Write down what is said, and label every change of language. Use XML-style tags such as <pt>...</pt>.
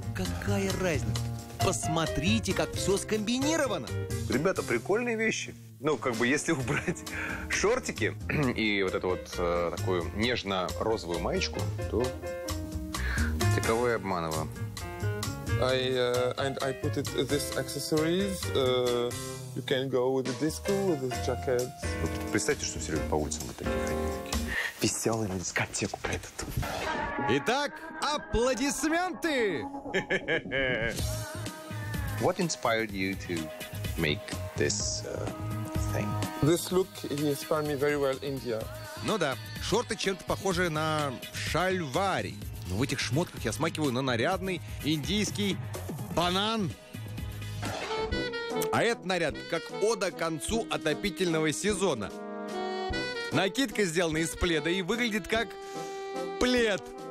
<ru>Какая разница? Посмотрите, как все скомбинировано. Ребята, прикольные вещи. Ну, как бы, если убрать шортики и вот эту вот такую нежно-розовую маечку, то таковой обманываю.</ru> <en>I put it, this accessories. You can go with the disco, with this jacket.</en> <ru>Вот представьте, что все люди по улицам вот такие ходят. Веселые на дискотеку пройдут. Итак, аплодисменты!</ru> <en>What inspired you to make this thing? This look inspired me very well, India.</en> <ru>Ну да, шорты чем-то похожи на шальвари. Но в этих шмотках я смакиваю на нарядный индийский банан. А этот наряд как ода концу отопительного сезона. Накидка сделана из пледа и выглядит как плед.</ru>